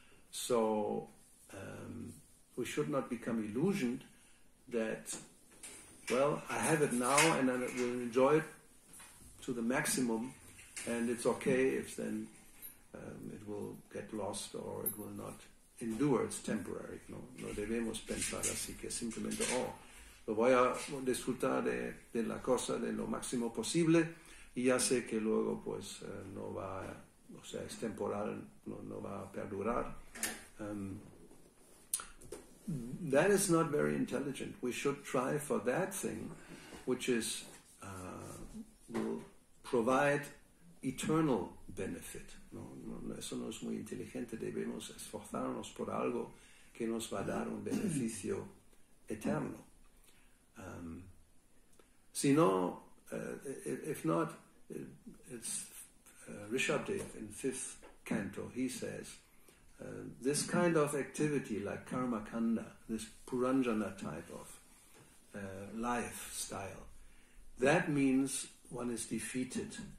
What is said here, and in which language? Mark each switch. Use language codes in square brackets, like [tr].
[en] So we should not become illusioned that, well, I have it now and I will enjoy it to the maximum, and it's okay if then it will get lost or it will not endure, it's temporary. [es] No, no debemos pensar así, que simplemente, oh, lo voy a disfrutar de la cosa de lo máximo posible y ya sé que luego pues no va, o sea, es temporal, no va a perdurar. [en] That is not very intelligent. We should try for that thing which is will provide eternal benefit. [es] No, eso no es muy inteligente. Debemos esforzarnos por algo que nos va a dar un beneficio eterno. [en] If not, it's Rishabdev in fifth canto, he says, this kind of activity, like karma kanda, this puranjana type of lifestyle, that means one is defeated.